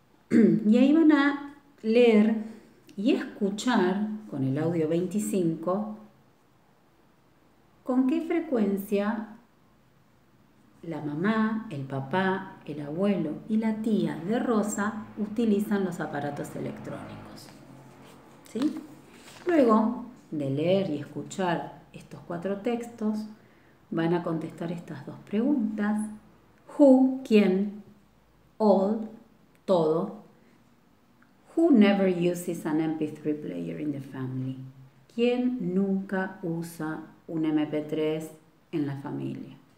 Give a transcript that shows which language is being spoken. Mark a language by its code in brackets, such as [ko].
[es] Y ahí van a leer y escuchar con el audio 25 con qué frecuencia la mamá, el papá, el abuelo y la tía de Rosa utilizan los aparatos electrónicos. ¿Sí? Luego de leer y escuchar estos cuatro textos, van a contestar estas dos preguntas. Who, quién, all, todo. [en] Who never uses an MP3 player in the family? [es] ¿Quién nunca usa un MP3 en la familia?